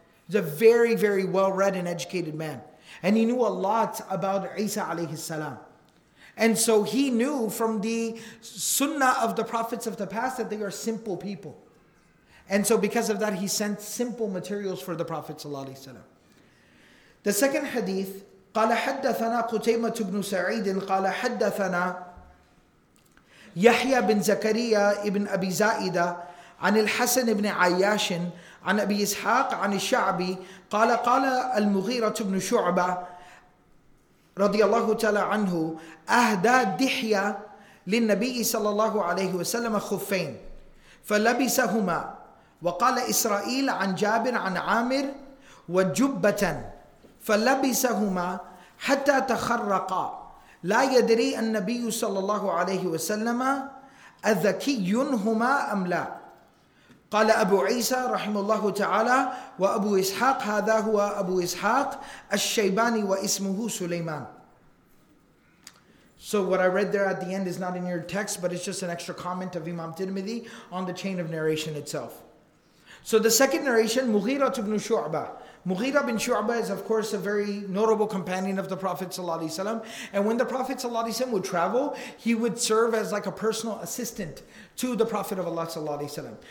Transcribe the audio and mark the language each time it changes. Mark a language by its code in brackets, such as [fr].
[en] He's a very, very well-read and educated man. And he knew a lot about Isa alayhi salam. And so he knew from the sunnah of the prophets of the past that they are simple people. And so because of that, he sent simple materials for the Prophet ﷺ. The second hadith, [ar] قَالَ حَدَّثَنَا قُتَيْمَةُ بْنُ سَعِيدٍ قَالَ حَدَّثَنَا يَحْيَى بِنْ زَكَرِيَّا إِبْنْ أَبِي زَائِدَ عَنِ الْحَسَنِ بْنِ عَيَّاشٍ عَنْ أَبِي إِسْحَاقَ عَنِ الشَّعْبِ قَالَ قَالَ الْمُغِيرَةُ بْنُ شُعْبَةَ رَضِيَ اللَّهُ تَعَالَى عَنْهُ أَهْدَى دِحْيَى لِلنَّبِيِّ صَلَّى اللَّهُ عَلَيْهِ وَسَلَّمَ خُفَّيْن فلبسهما وقال إسرائيل عن جابر عن عامر وجبة فلبسهما حتى تخرقا لا يدري النبي صلى الله عليه وسلم أذكي هما أم لا قال أبو عيسى رحمه الله تعالى وأبو إسحاق هذا هو أبو إسحاق الشيباني واسمه سليمان. [en] So what I read there at the end is not in your text, but it's just an extra comment of Imam Tirmidhi on the chain of narration itself. So the second narration, Mughira ibn Shu'bah. Mughira ibn Shu'bah is of course a very notable companion of the Prophet ﷺ. And when the Prophet ﷺ would travel, he would serve as like a personal assistant to the Prophet of Allah ﷺ.